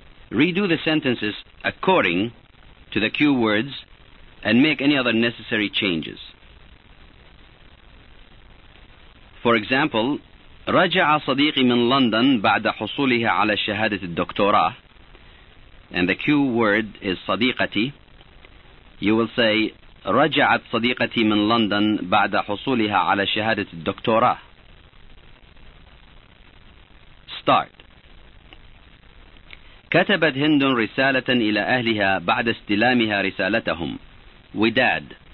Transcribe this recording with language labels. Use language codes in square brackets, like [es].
[en] Redo the sentences according to the cue words and make any other necessary changes. For example, [ar] رجع صديقي من لندن بعد حصوله على شهادة الدكتوراه. [en] And the cue word is صديقتي. You will say [ar] رجعت صديقتي من لندن بعد حصولها على شهادة الدكتوراه. [en] Start. [ar] كتبت هند رسالة إلى أهلها بعد استلامها رسالتهم. وداد.